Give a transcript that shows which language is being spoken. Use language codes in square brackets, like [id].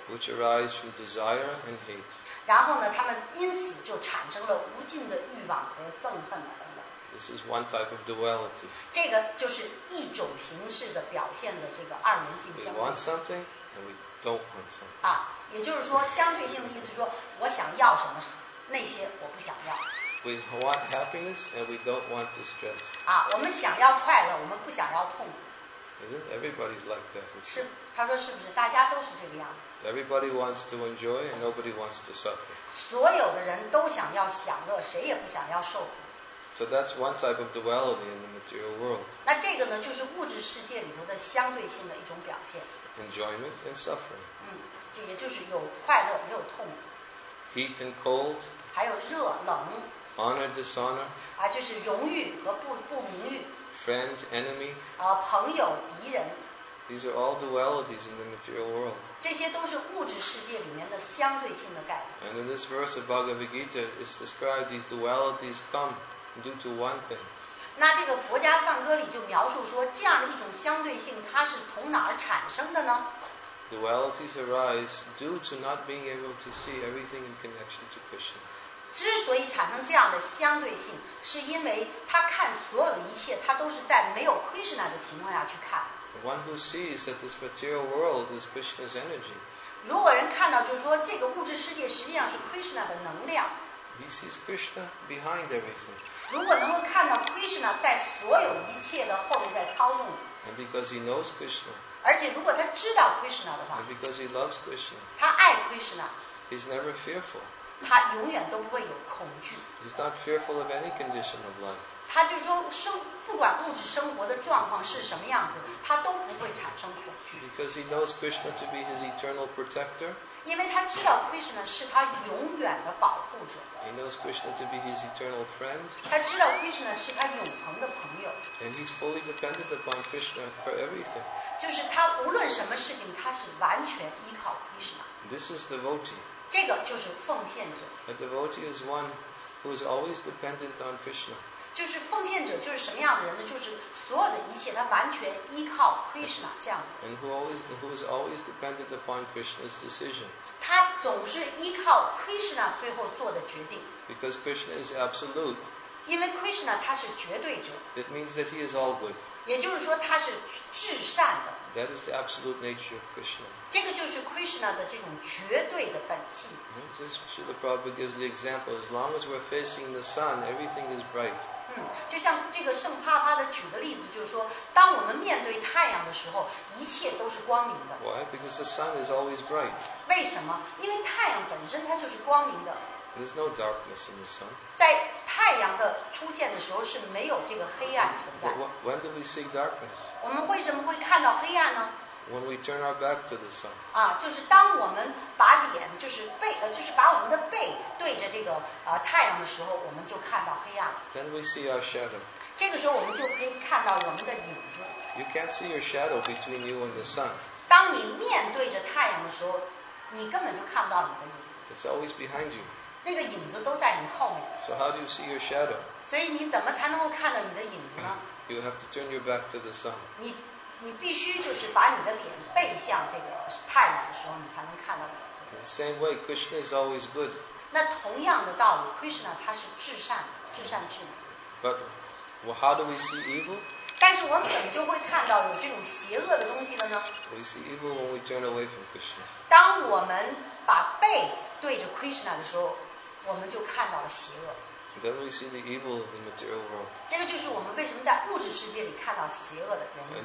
[en] Which arise from desire and hate. [zh] 然后呢，他们因此就产生了无尽的欲望和憎恨等等。 [en] This is one type of duality. [zh] 这个就是一种形式的表现的这个二元性相对。 [en] We want something and we don't want something. [zh] 也就是说，相对性的意思说，我想要什么，那些我不想要。 [en] We want happiness and we don't want distress. [zh] 我们想要快乐，我们不想要痛苦。 [en] Isn't everybody's like that? [zh] 是，他说是不是大家都是这个样子？ [en] Everybody wants to enjoy and nobody wants to suffer. [zh] 所有的人都想要享乐，谁也不想要受苦。 [en] So that's one type of duality in the material world. [zh] 那这个呢，就是物质世界里头的相对性的一种表现。 [en] Enjoyment and suffering. [zh] 就也就是有快乐，没有痛苦。 [en] Heat and cold. [zh] 还有热冷。 [en] Honor dishonor. [zh] 就是荣誉和不名誉。 [en] Friend enemy. [zh] 朋友敌人。 [en] These are all dualities in the material world. [zh] 这些都是物质世界里面的相对性的概念。 [en] And in this verse of Bhagavad Gita, it's described these dualities come due to one thing. [zh] 那这个佛家梵歌里就描述说，这样的一种相对性，它是从哪儿产生的呢？ [en] Dualities arise due to not being able to see everything in connection to Krishna. [zh] 之所以产生这样的相对性，是因为他看所有的一切，他都是在没有 Krishna 的情况下去看。 [en] One who sees that this material world is Krishna's energy. [zh] 如果人看到就是说这个物质世界实际上是 Krishna 的能量。 [en] He sees Krishna behind everything. [zh] 如果能够看到 Krishna 在所有一切的后面在操纵。 [en] And because he knows Krishna. [zh] 而且如果他知道 Krishna 的话。 [en] And because he loves Krishna. [zh] 他爱 Krishna. [en] He's never fearful. [zh] 他永远都不会有恐惧。 [en] He's not fearful of any condition of life. [zh] 他就说不管物质生活的状况是什么样子，他都不会产生恐惧。 [en] Because he knows Krishna to be his eternal protector. [zh] 因为他知道 Krishna 是他永远的保护者。 [en] He knows Krishna to be his eternal friend. [zh] 他知道 Krishna 是他永恒的朋友。 [en] And he's fully dependent upon Krishna for everything. [zh] 就是他无论什么事情，他是完全依靠 Krishna. [en] This is devotee. [zh] 这个就是奉献者。 [en] A devotee is one who is always dependent on Krishna. [zh] 就是奉献者就是什么样的人呢？就是所有的一切他完全依靠 Krishna 这样的。 [en] And who is always dependent upon Krishna's decision. [zh] 他总是依靠 Krishna 最后做的决定。 [en] Because Krishna is absolute. [zh] 因为 Krishna 他是绝对者。 [en] It means that he is all good. [zh] 也就是说他是至善的。 [en] That is the absolute nature of Krishna. [zh] 这个就是 Krishna 的这种绝对的本性。 [en] Srila Prabhupada gives the example, as long as we're facing the sun, everything is bright. [zh] 就像这个圣帕帕的举的例子，就是说，当我们面对太阳的时候，一切都是光明的。 [en] Why? Because the sun is always bright. [zh] 为什么？因为太阳本身它就是光明的。 [en] There's no darkness in the sun. [zh] 在太阳的出现的时候是没有这个黑暗存在。 [en] When do we see darkness? [zh] 我们为什么会看到黑暗呢？ [en] When we turn our back to the sun. [zh] 啊，就是当我们把脸，就是背，就是把我们的背对着这个太阳的时候，我们就看到黑暗。 [en] Then we see our shadow. [zh] 这个时候我们就可以看到我们的影子。 [en] You can't see your shadow between you and the sun. [zh] 当你面对着太阳的时候，你根本就看不到你的影子。 [en] It's always behind you. [zh] 那个影子都在你后面。 [en] So how do you see your shadow? [zh] 所以你怎么才能够看到你的影子呢？ [en] You have to turn your back to the sun. [zh] 你必须就是把你的脸背向这个太阳的时候，你才能看到影子。 [en] The same way, Krishna is always good. [zh] 那同样的道理 ，Krishna 他是至善，至善至美。 [en] But, well, how do we see evil? [zh] 但是我们怎么就会看到有这种邪恶的东西了呢 [en] ？We see evil when we turn away from Krishna. [zh] 当我们把背对着 Krishna 的时候，我们就看到了邪恶。 [en] Then we see the evil of the material world. [zh] 这个就是我们为什么在物质世界里看到邪恶的原因。